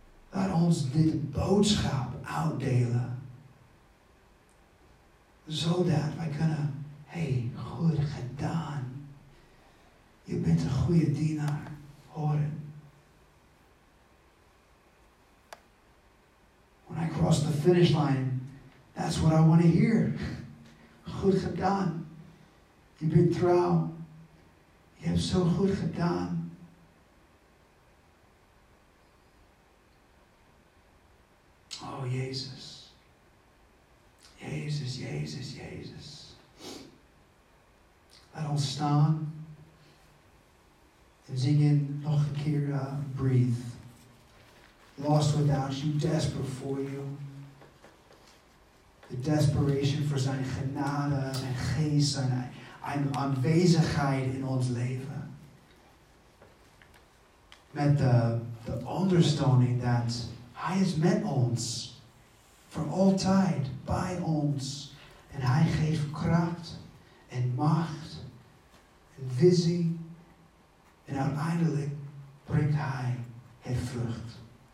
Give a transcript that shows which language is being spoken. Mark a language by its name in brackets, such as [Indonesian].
[Dutch] Laat ons dit boodschap uitdelen. Zodat wij kunnen, hey, goed gedaan. Je bent een goede dienaar, horen. [English] When I cross the finish line, that's what I want to hear. [Dutch] Goed gedaan. Je bent trouw. Je hebt zo goed gedaan. Oh, Jezus. Jezus, Jezus, Jezus. Laat ons staan en zingen nog een keer Breathe. [English] Lost without you, desperate for you. The desperation for [Dutch] zijn genade, zijn geest, zijn aanwezigheid in ons leven. Met de onderstroming dat hij is met ons. [English] For all time, [Dutch] by ons. En hij geeft kracht en macht en visie. En uiteindelijk brengt hij het vrucht.